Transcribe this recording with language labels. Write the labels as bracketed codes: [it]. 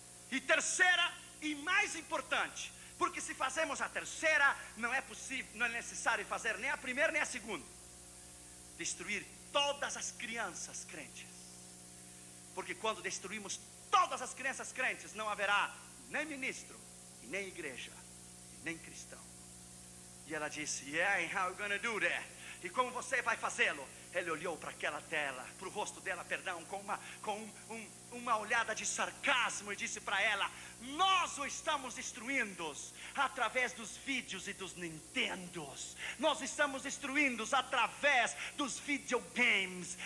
[pt] E terceira, e mais importante, porque se fazemos a terceira, não é possível, não é necessário fazer nem a primeira nem a segunda. Destruir todas as crianças crentes. Porque quando destruímos todas as crianças crentes, não haverá nem ministro, nem igreja, nem cristão. E ela disse: [en] yeah, how are you gonna do that? [pt] E como você vai fazê-lo? Ele olhou para aquela tela, para o rosto dela, perdão, com uma olhada de sarcasmo, e disse para ela: nós o estamos destruindo através dos vídeos e dos Nintendos. Nós estamos destruindo através dos videogames.